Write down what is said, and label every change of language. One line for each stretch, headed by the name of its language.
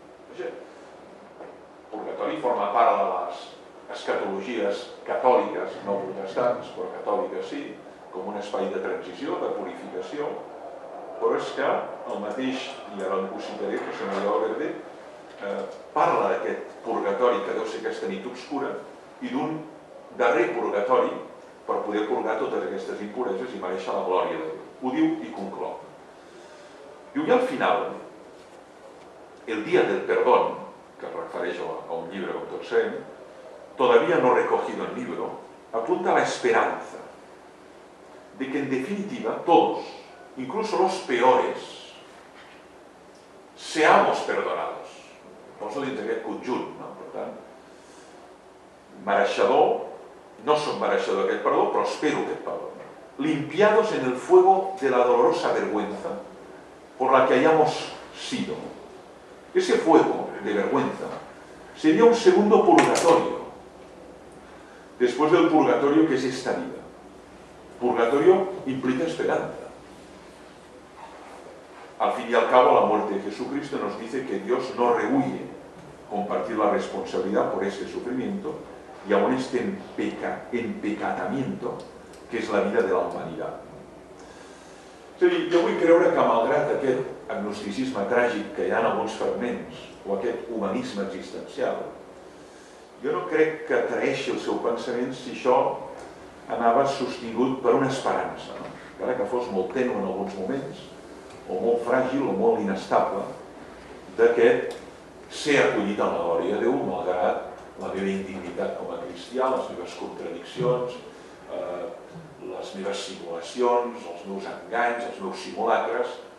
Catalan: Vaja, purgatori forma part de les escatologies catòliques, no protestants, però catòliques sí, com un espai de transició, de purificació, però és que el mateix, i ara ho citaré, que senyor Valverde, parla d'aquest purgatori que deu ser aquesta nit obscura i d'un darrer purgatori per poder purgar totes aquestes impureses i mereixer la glòria de Déu. Ho diu i conclou. Diu, i al final, el dia del perdón, que es refereix a un llibre com tots sabem,
Spanish: todavía no recogido en libro, apunta a la esperanza de que en definitiva todos, incluso los peores, seamos perdonados.
Catalan: Posa dins d'aquest conjunt, no? Per tant, mereixedor, no som mereixedor d'aquest perdó, però espero aquest perdó.
Spanish: Limpiados en el fuego de la dolorosa vergüenza por la que hayamos sido. Ese fuego de vergüenza sería un segundo purgatorio después del purgatorio que es esta vida. Purgatorio implica esperanza. Al fin y al cabo, la muerte de Jesucristo nos dice que Dios no rehúye compartir la responsabilidad por este sufrimiento y aún este empecatamiento que es la vida de la humanidad.
Catalan: Es a dir, jo vull creure que malgrat aquest agnosticisme tràgic que hi ha en alguns fragments, o aquest humanisme existencial, jo no crec que traeixi el seu pensament si això anava sostingut per una esperança, no? Encara que fos molt tènue en alguns moments, o molt fràgil o molt inestable, d'aquest ser acollit a la glòria de Déu, malgrat la meva indignitat com a cristià, les meves contradiccions, les meves simulacions, els meus enganys, els meus simulacres.